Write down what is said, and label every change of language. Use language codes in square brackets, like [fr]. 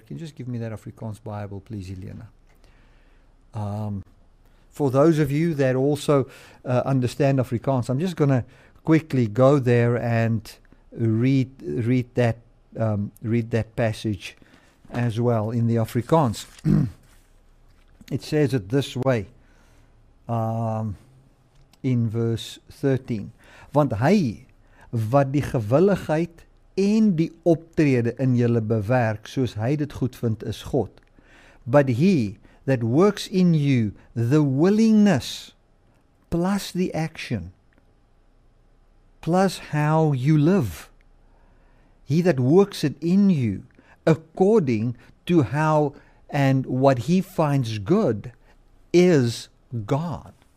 [en] Can you just give me that Afrikaans Bible, please, Elena? For those of you that also understand Afrikaans, I'm just going to quickly go there and read that passage as well in the Afrikaans. It says it this way in verse 13. [af] Want hy wat die gewilligheid en die optrede in julle bewerk, soos hy dit goed vind, is God. [en] But he that works in you the willingness plus the action plus how you live. He that works it in you according to how and what he finds good is God.